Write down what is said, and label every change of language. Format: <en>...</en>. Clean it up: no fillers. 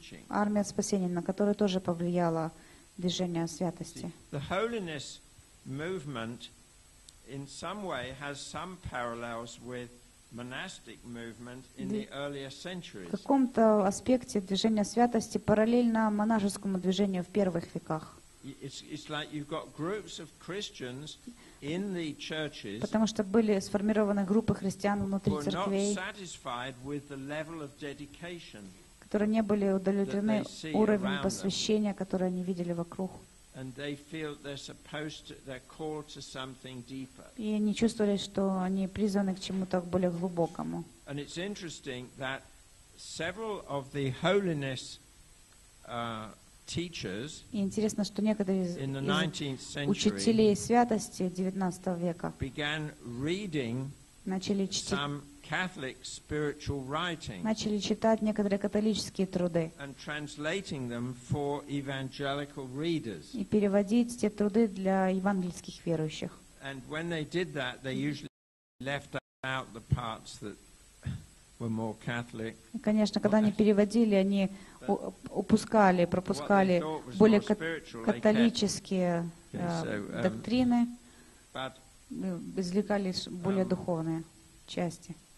<ru>Армия спасения, на которую тоже повлияло движение святости.</ru> <en>The holiness movement in some way has some parallels with monastic movement in the earlier centuries.</en> <ru>В каком-то аспекте движение святости параллельно монашескому движению в первых веках.</ru> <en>It's like you've got groups of Christians in the churches.</en> <ru>Потому что были сформированы группы христиан внутри церквей,</ru> <en>not satisfied with the level of dedication,</en> <ru>которые не были удовлетворены уровнем посвящения, которое они видели вокруг.</ru> <en>And they feel they're supposed to, they're called to something deeper.</en> <ru>И они чувствовали, что они призваны к чему-то более глубокому.</ru> <en>And it's interesting that several of the holiness teachers in the 19th century began reading some Catholic spiritual writings and translating them for evangelical readers. And when they did that, they usually left out the parts that were more Catholic.</en> <ru>Конечно, когда они переводили, они упускали, пропускали более католические доктрины, извлекали более духовные части.</ru>